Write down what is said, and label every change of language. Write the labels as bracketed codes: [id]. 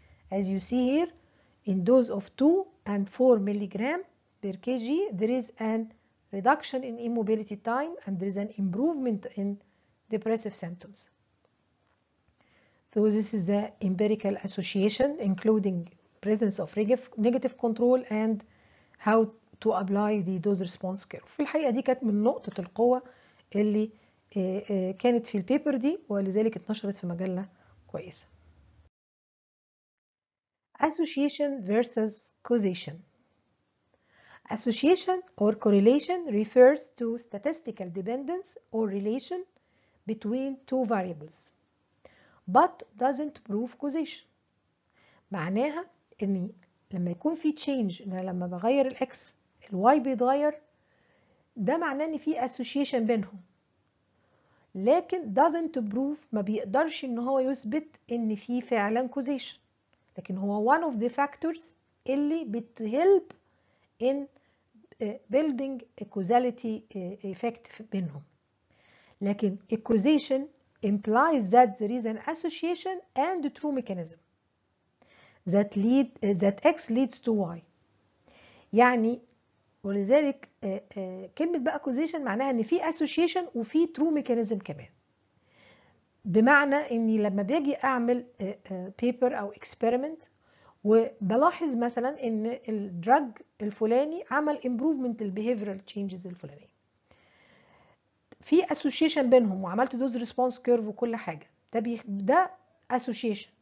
[en] As you see here, in dose of 2 and 4 milligram per kg, there is a reduction in immobility time and there is an improvement in depressive symptoms. So this is the empirical association, including presence of negative control and how to apply the dose response curve. [ar] في الحقيقة دي كانت من نقطة القوة اللي كانت في البيبر دي ولذلك اتنشرت في مجلة كويسة. [en] Association versus causation. Association or correlation refers to statistical dependence or relation between two variables, but doesn't prove causation. [ar] معناها ان لما يكون في change، لما بغير الـ X الواي بيتغير، ده معناه ان في association بينهم، لكن [en] doesn't prove، [ar] ما بيقدرش ان هو يثبت ان في فعلا causation، لكن هو [en] one of the factors [ar] اللي بتهلب [en] in building a causality effect [ar] بينهم. [en] لكن a causation implies that there is an association and a true mechanism that X leads to Y. [ar] يعني ولذلك كلمة بقى causation معناها ان في association وفي [en] true mechanism [ar] كمان. بمعنى اني لما باجي اعمل paper او experiment وبلاحظ مثلا ان الدراج الفلاني عمل improvement للbehavioral changes الفلانية، في association بينهم وعملت dose response curve وكل حاجة، ده association.